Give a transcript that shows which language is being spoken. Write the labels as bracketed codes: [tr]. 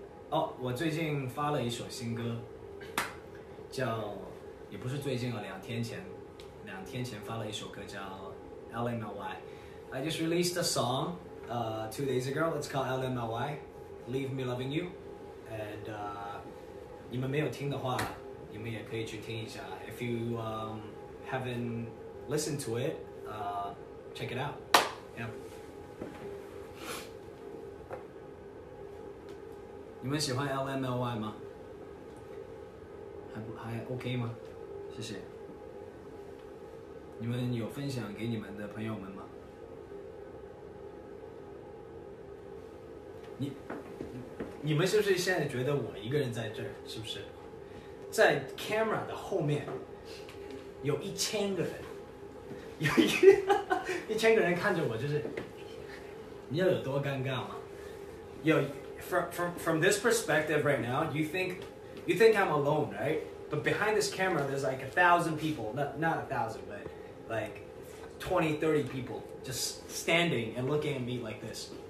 [zh] 哦、oh, ，我最近发了一首新歌，叫也不是最近了，两天前发了一首歌叫 LMLY。 [en] I just released a song two days ago. It's called LMLY, Leave Me Loving You. [zh] And 你们没有听的话，你们也可以去听一下。 [en] If you haven't listened to it, check it out. Yep. [zh] 你们喜欢 LMLY 吗？还 OK 吗？谢谢。你们有分享给你们的朋友们吗？你们是不是现在觉得我一个人在这儿？是不是？在 camera 的后面有一千个人，有一千个人看着我，就是你要有多尴尬吗？有。 [en] From this perspective right now, you think I'm alone, right? But behind this camera, there's like 1,000 people. Not 1,000, but like 20, 30 people just standing and looking at me like this.